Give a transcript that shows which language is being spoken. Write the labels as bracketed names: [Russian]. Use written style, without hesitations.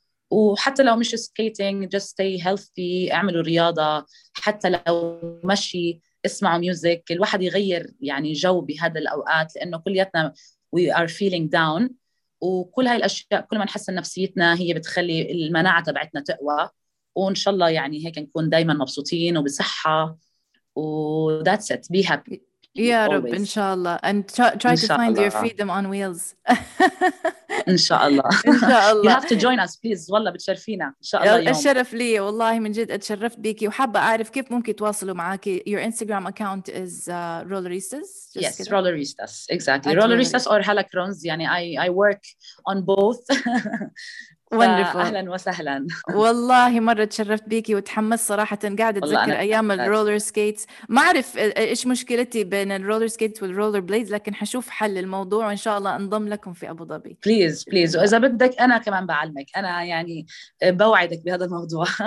[Arabic] وحتى لو مش سكيتينج [English] just stay healthy، [Arabic] اعملوا رياضة، حتى لو مشي اسمعوا ميوزك، الواحد يغير يعني جو بهذا الأوقات، لأنه كلياتنا [English] we are feeling down. [Arabic] وكل هاي الأشياء كل ما نحسن نفسيتنا هي بتخلي المناعة تبعتنا تقوى، وإن شاء الله يعني هيك نكون دايما مبسوطين وبصحة. [English] That's it. Be happy. [Arabic] يا [English] always. [Arabic] رب إن شاء الله. [English] And try to find الله. Your freedom on wheels. [Arabic] إن شاء الله. إن شاء الله. [English] You have to join us please. [Arabic] والله بتشرفينا. إن شاء الله يوم. الشرف لي والله، من جد اتشرفت بيكي، وحابة أعرف كيف ممكن تواصلوا معاكي. [English] Your Instagram account is Rolleristas. Yes كده. Rolleristas. Exactly. Rolleristas or هلا كرنز، يعني I work on both. Wonderful. [Arabic] أهلا وسهلا. والله مرة تشرفت بيكي وتحمس صراحة، قاعدة أتذكر أيام الرولر سكيتس. ما أعرف إيش مشكلتي بين الرولر سكيتس والرولر بليدز، لكن حشوف حل الموضوع وإن شاء الله أنضم لكم في أبو ظبي. بليز بليز، وإذا بدك أنا كمان بعلمك، أنا يعني بوعدك بهذا الموضوع.